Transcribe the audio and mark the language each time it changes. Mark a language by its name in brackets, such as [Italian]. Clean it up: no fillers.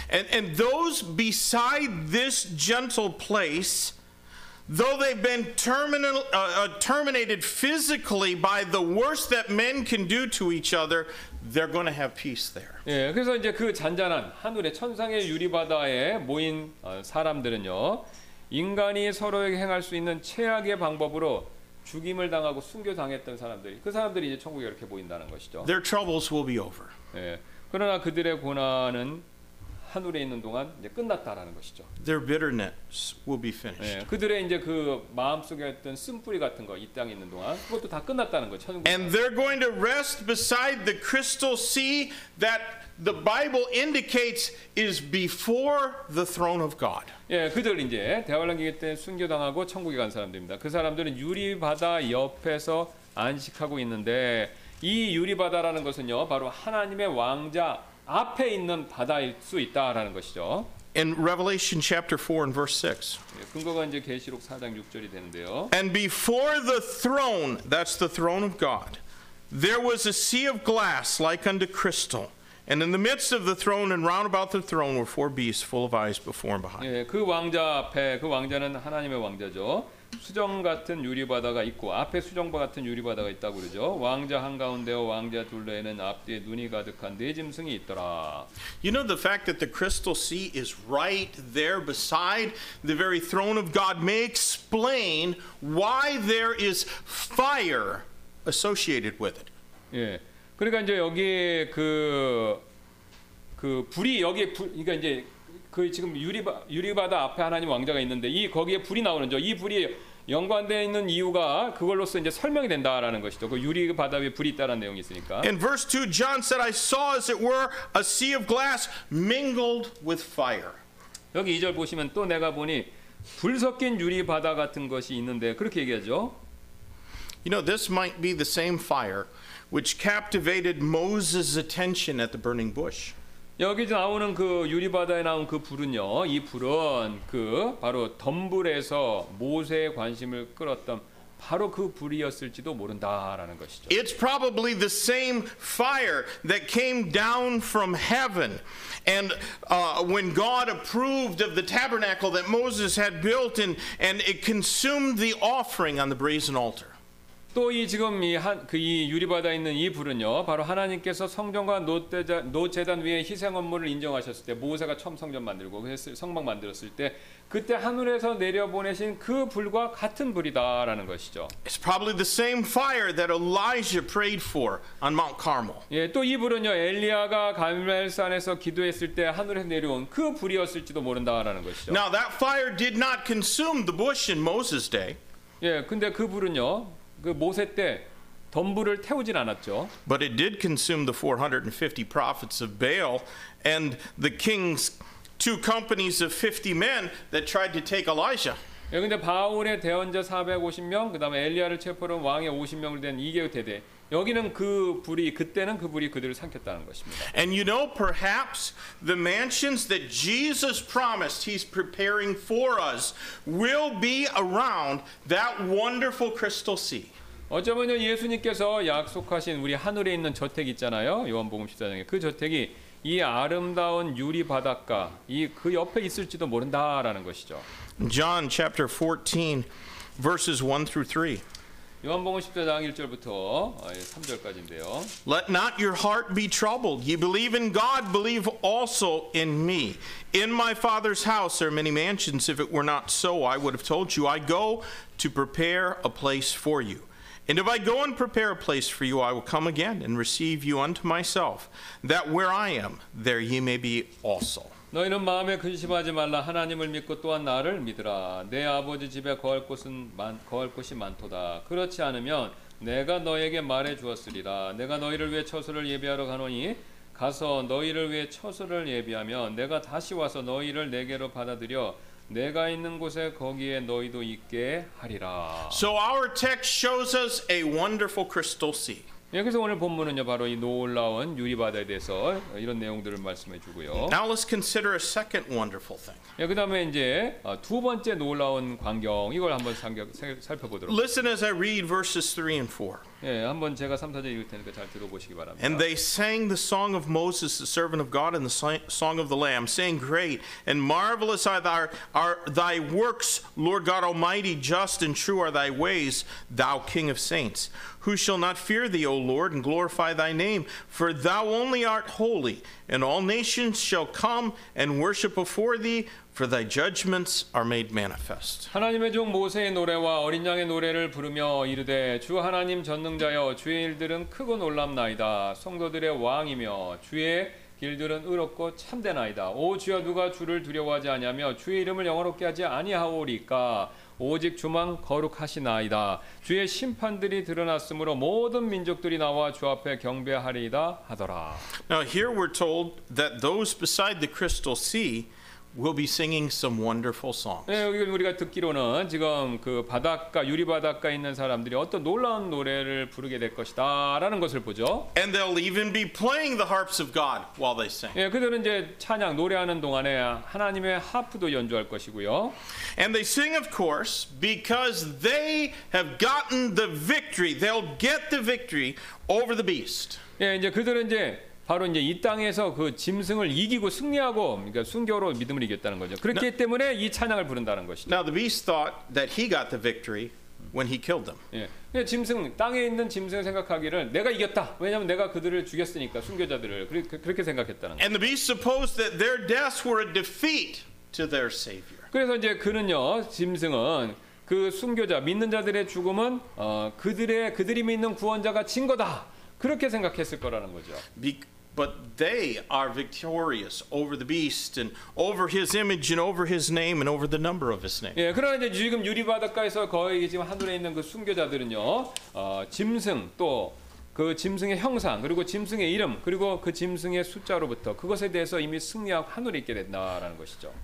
[English] And those beside this gentle place, though they've been terminated physically by the worst that men can do to each other, they're going to have peace there. [Korean] 예, 그래서 이제 그 잔잔한 하늘의 천상의 유리 바다에 모인 사람들은요. 인간이 서로에게 행할 수 있는 최악의 방법으로 죽임을 당하고 순교당했던 사람들이 그 사람들이 이제 천국에 이렇게 보인다는 것이죠. [English] Their troubles will be over. [Korean] 예, 그러나 그들의 고난은 하늘에 있는 동안 이제 끝났다라는 것이죠. [English] Their bitterness will be finished. [Korean] 예, 그들의 이제 그 마음속에 있던 쓴뿌리 같은 거 이 땅에 있는 동안 그것도 다 끝났다는 거예요. 천국에. [English] And they're going to rest beside the crystal sea that the Bible indicates is before the throne of God. [Korean] 예, 그들 이제 대활란기 때 순교당하고 천국에 간 사람들입니다. 그 사람들은 유리 바다 옆에서 안식하고 있는데 이 유리 바다라는 것은요, 바로 하나님의 왕좌 앞에 있는 바다일 수 있다라는 것이죠. [English] In Revelation chapter 4 and verse 6. [Korean] 예, 근거가 이제 계시록 4장 6절이 되는데요. [English] And before the throne, that's the throne of God, there was a sea of glass like unto crystal. And in the midst of the throne and round about the throne were four beasts full of eyes before and behind. [Korean] 예, 그 왕좌 앞에 그 왕좌는 하나님의 왕좌죠. 수정 같은 유리 바다가 있고 앞에 수정바 같은 유리 바다가 있다고 그러죠. 왕좌 한 가운데와 왕좌 둘레에는 앞뒤에 눈이 가득한 네 짐승이 있더라. [English] You know the fact that the crystal sea is right there beside the very throne of God may explain why there is fire associated with it. [Korean] 예. 그러니까 이제 여기 그 불이 여기 불 그러니까 이제 그 지금 유리바다 앞에 하나님 왕좌가 있는데 이 거기에 불이 나오는죠. 이 불이 연관되어 있는 이유가 그걸로써 이제 설명이 된다라는 것이죠. 그 유리바다 위에 불이 있다는 내용이 있으니까. [English] In verse 2 John said I saw as it were a sea of glass mingled with fire. [Korean] 여기 2절 보시면 또 내가 보니 불 섞인 유리바다 같은 것이 있는데 그렇게 얘기하죠. [English] You know this might be the same fire which captivated Moses' attention at the burning bush. [Korean] 여기 나오는 그 유리바다에 나온 그 불은요. 이 불은 그 바로 덤불에서 모세의 관심을 끌었던 바로 그 불이었을지도 모른다라는 것이죠. [English] It's probably the same fire that came down from heaven and when God approved of the tabernacle that Moses had built and it consumed the offering on the brazen altar. [Korean] 또 이 지금 이 한 그 이 유리바다에 있는 이 불은요. 바로 하나님께서 성전과 노제단 위에 희생 업무를 인정하셨을 때 모세가 처음 성전 만들고 성막 만들었을 때 그때 하늘에서 내려보내신 그 불과 같은 불이다라는 것이죠. [English] It's probably the same fire that Elijah prayed for on Mount Carmel. [Korean] 예, 또 이 불은요. 엘리야가 갈멜산에서 기도했을 때 하늘에서 내려온 그 불이었을지도 모른다라는 것이죠. [English] Now that fire did not consume the bush in Moses' day. [Korean] 예, 근데 그 불은요. 그 모세 때 덤불을 태우진 않았죠. [English] But it did consume the 450 prophets of Baal and the king's two companies of 50 men that tried to take Elijah. [Korean] 예, 근데 바울의 대언자 450명, 그다음에 엘리야를 체포한 왕의 50명을 된 이계 대대. 여기는 그 불이 그때는 그 불이 그들을 삼켰다는 것입니다. [English] And you know perhaps the mansions that Jesus promised he's preparing for us will be around that wonderful crystal sea. [Korean] 어쩌면요 예수님께서 약속하신 우리 하늘에 있는 저택 있잖아요. 요한복음 14장에 그 저택이 이 아름다운 유리 바닷가 이 그 옆에 있을지도 모른다라는 것이죠. [English] John chapter 14 verses 1 through 3. [Korean] 요한복음 14장 1절부터 3절까지인데요. [English] Let not your heart be troubled. Ye believe in God, believe also in me. In my Father's house are many mansions. If it were not so, I would have told you. I go to prepare a place for you. And if I go and prepare a place for you, I will come again and receive you unto myself, that where I am, there ye may be also. [Korean] 너희는 마음에 근심하지 말라 하나님을 믿고 또한 나를 믿으라 내 아버지 집에 거할 곳이 많도다 그렇지 않으면 내가 너에게 말해 주었으리라 내가 너희를 위해 처소를 예비하러 가노니 가서 너희를 위해 처소를 예비하면 내가 다시 와서 너희를 내게로 받아들여 내가 있는 곳에 거기에 너희도 있게 하리라. [English] So our text shows us a wonderful crystal sea. [Korean] 예, 그래서 오늘 본문은요 바로 이 놀라운 유리 바다에 대해서 이런 내용들을 말씀해 주고요. [English] Now let's consider a second wonderful thing. [Korean] 예, 그다음에 이제 두 번째 놀라운 광경 이걸 한번 살펴보도록. [English] Listen as I read verses 3 and 4. [Korean] 예, 한번 제가 3-4절 읽을 테니까 잘 들어보시기 바랍니다. [English] And they sang the song of Moses, the servant of God, and the song of the Lamb, saying, Great and marvelous are thy works, Lord God Almighty, just and true are thy ways, thou King of saints. Who shall not fear thee, O Lord, and glorify thy name? For thou only art holy, and all nations shall come and worship before thee, For thy judgments are made manifest. [Korean] 하나님의 종 모세의 노래와 어린 양의 노래를 부르며 이르되 주 하나님 전능자여 주의 일들은 크고 놀랍나이다 성도들의 왕이며 주의 길들은 의롭고 참되나이다 오 주여 누가 주를 두려워하지 아니하며 주의 이름을 영화롭게 하지 아니하오리까 오직 주만 거룩하시나이다 주의 심판들이 드러났으므로 모든 민족들이 나와 주 앞에 경배하리이다 하더라. [English] Now here we're told that those beside the crystal sea We'll be singing some wonderful songs. [Korean] 네, 여기 우리가 듣기로는 지금 그 바닷가 유리 바닷가에 있는 사람들이 어떤 놀라운 노래를 부르게 될 것이다라는 것을 보죠. [English] And they'll even be playing the harps of God while they sing. [Korean] 예, 네, 그들은 이제 찬양 노래하는 동안에 하나님의 하프도 연주할 것이고요. [English] And they sing, of course, because they have gotten the victory. They'll get the victory over the beast. [Korean] 예, 네, 이제 그들은 이제 바로 이제 이 땅에서 그 짐승을 이기고 승리하고 그러니까 순교로 믿음을 이겼다는 거죠. 그렇기 [English] now, [Korean] 때문에 이 찬양을 부른다는 것이죠. [English] Now the beast thought that he got the victory when he killed them. [Korean] 예, 짐승 땅에 있는 짐승을 생각하기를 내가 이겼다. 왜냐하면 내가 그들을 죽였으니까 순교자들을 그렇게 생각했다는 거죠. [English] And the beast supposed that their deaths were a defeat to their savior. [Korean] 그래서 이제 그는요, 짐승은 그 순교자 믿는 자들의 죽음은 그들이 믿는 구원자가 진 거다. 그렇게 생각했을 거라는 거죠. [English] But they are victorious over the beast and over his image and over his name and over the number of his name. [Korean] 예, 그러나 이제 지금 유리 바닷가에서 거의 지금 하늘에 있는 그 순교자들은요. 짐승 또 그 짐승의 형상 그리고 짐승의 이름 그리고 그 짐승의 숫자로부터 그것에 대해서 이미 승리하고 하늘에 있게 된다라는 것이죠.